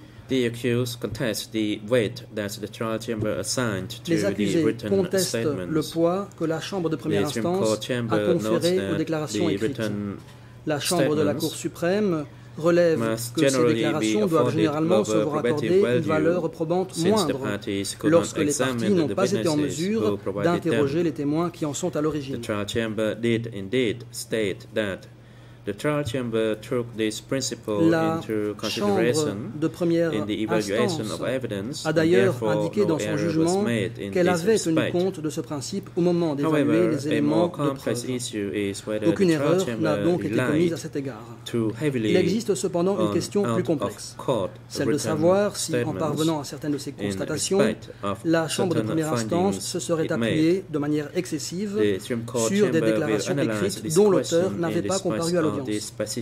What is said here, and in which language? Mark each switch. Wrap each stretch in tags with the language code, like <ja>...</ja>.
<en>the accused contests the weight that the trial chamber assigned to the written statements.</en> <fr>Les accusés contestent le poids que la chambre de première instance a conféré aux déclarations écrites. La chambre de la Cour suprême relève que ces déclarations doivent généralement se voir accorder une valeur probante moindre lorsque les parties n'ont pas été en mesure d'interroger les témoins qui en sont à l'origine.</fr> <en>The trial chamber did indeed state that the trial chamber took this principle into consideration in the evaluation of evidence.</en> <fr>A d'ailleurs indiqué dans son jugement qu'elle avait tenu compte de ce principe au moment d'évaluer les éléments de preuve. Aucune erreur n'a donc été commise à cet égard. Il existe cependant une question plus complexe, celle de savoir si, en parvenant à certaines de ces constatations, la chambre de première instance se serait appuyée de manière excessive sur des déclarations écrites dont l'auteur n'avait pas comparu à l'audience.</fr>